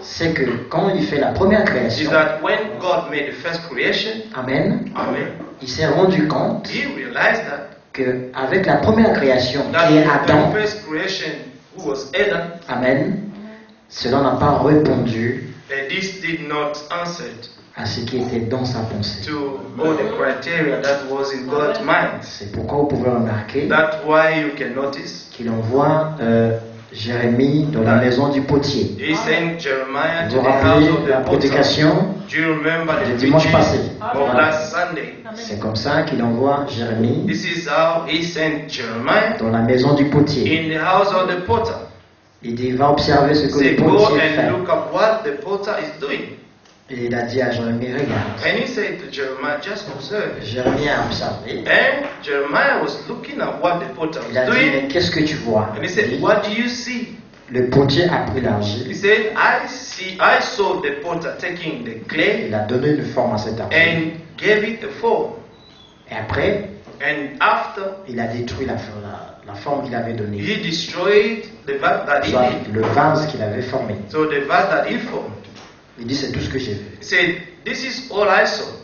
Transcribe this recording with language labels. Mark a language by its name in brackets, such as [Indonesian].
[French] C'est que quand il fait la première création. [English] Is that when God made the first creation? Amen. Amen. [French] Il s'est rendu compte. [English] He realized that. [French] Que avec la première création, qui est Adam. [English] The first creation, who was Adam. [French] Amen. Cela n'a pas répondu [English] this did not [French] à ce qui était dans sa pensée. [English] To all the criteria that was in God's mind. [French] C'est pourquoi vous pouvez remarquer [English] that's why you can notice [French] qu'il envoie Jérémie dans la maison du potier. [English] He sent Jeremiah [French] vous vous rappelez [English] the house of [French] la prédication du dimanche passé. Voilà. [English] Sunday. [French] C'est comme ça qu'il envoie Jérémie [English] this is how he sent Jeremiah [French] dans la maison du potier. [English] In the house of the potter. [French] Il dit, va observer ce que le potier fait. Et il a dit à Jérémie, regarde. [English] And he said to Jeremiah, just observe. [French] Jérémie a observé. [English] And Jeremiah was looking at what the potter was doing. [French] Il a dit, mais qu'est-ce que tu vois? [English] And he said, what do you see? [French] Le potier a pris l'argile. [English] He said, I saw the potter taking the clay. [French] Il a donné une forme à cette argile. [English] And gave it a form. [French] Et après, [English] and after, [French] il a détruit la forme qu'il avait donnée. [English] He destroyed the vase that he made. [French] Le vase qu'il avait formé. [English] So the vase that he formed. [French] Il dit c'est tout ce que j'ai vu. [English] He said this is all I saw.